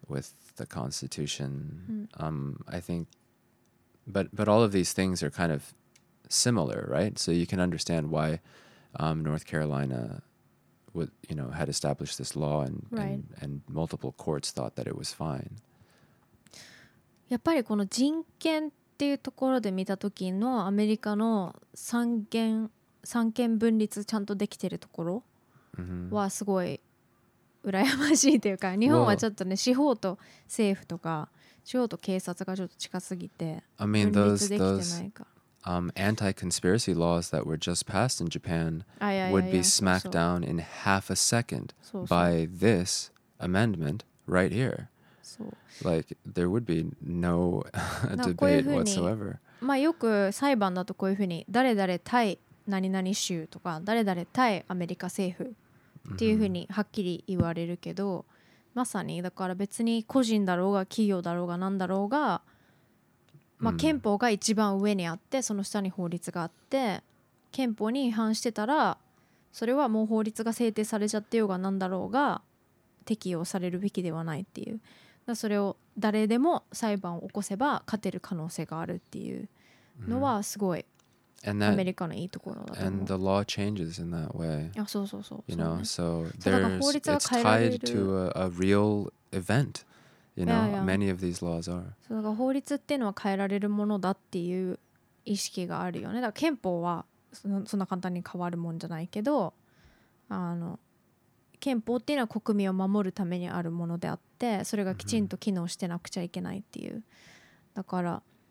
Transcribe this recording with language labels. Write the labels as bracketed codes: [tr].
[en] With the Constitution, I think, but all of these things are kind of similar, right? So you can understand why North Carolina, had established this law and multiple courts thought that it was fine. [ja] やっぱりこの人権っていうところで見た時のアメリカの三権分立ちゃんとできてるところはすごい羨ましいというか、日本はちょっとね、司法と政府とか司法と警察がちょっと近すぎて分立できてないか。 [en] I mean those anti-conspiracy laws that were just passed in Japan would be smacked down in half a second by this amendment right here. Like, there would be no debate whatsoever. [ja] まあよく裁判だとこういうふうに誰々対何々州とか誰々対アメリカ政府っていうふうにはっきり言われるけど、まさにだから別に個人だろうが企業だろうが何だろうが、まあ憲法が一番上にあって、その下に法律があって、憲法に違反してたらそれはもう法律が制定されちゃってようが何だろうが適用されるべきではないっていう、それを誰でも裁判を起こせば勝てる可能性があるっていうのはすごいアメリカのいいところだと思う。 [en] And the law changes in that way. [ja] あ、そうそうそう。 [en] You know, so there's it's tied to a real event. You know, many of these laws are. [ja] そう、だから法律っていうのは変えられるものだっていう意識があるよね。だから憲法はそんな簡単に変わるもんじゃないけど、憲法っていうのは国民を守るためにあるものであって、それがきちんと機能してなくちゃいけないっていう、だから